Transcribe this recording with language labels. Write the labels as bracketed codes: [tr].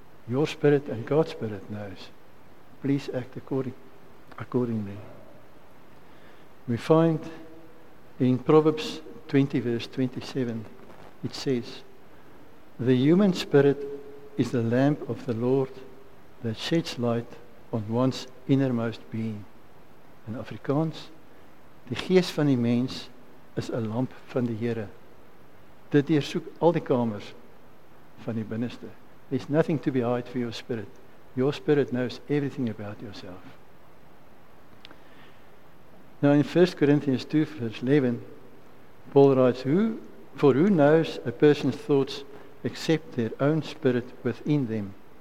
[en] Your spirit and God's spirit knows. Please act accordingly. We find in Proverbs 20 verse 27, it says, "The human spirit is the lamp of the Lord that sheds light on one's innermost being." [af] In Afrikaans, "Die gees van die mens is 'n lamp van die Here. Dit deursoek al die kamers van die binneste." [en] There's nothing to be hide for your spirit. Your spirit knows everything about yourself. Now in 1 Corinthians 2 verse 11, Paul writes, For who knows a person's thoughts except their own spirit within them?